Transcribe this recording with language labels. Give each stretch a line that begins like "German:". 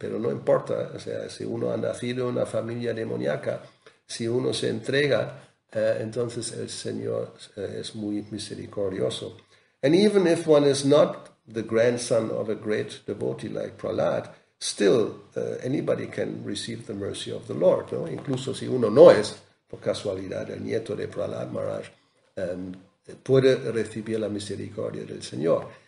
Spanish: Pero no importa, o sea, si uno ha nacido en una familia demoníaca, si uno se entrega, entonces el Señor es muy misericordioso.
English: And even if one is not the grandson of a great devotee like Prahlad, still anybody can receive the mercy of the Lord, ¿no?
Spanish: Incluso si uno no es, por casualidad, el nieto de Prahlad Maharaj, puede recibir la misericordia del Señor.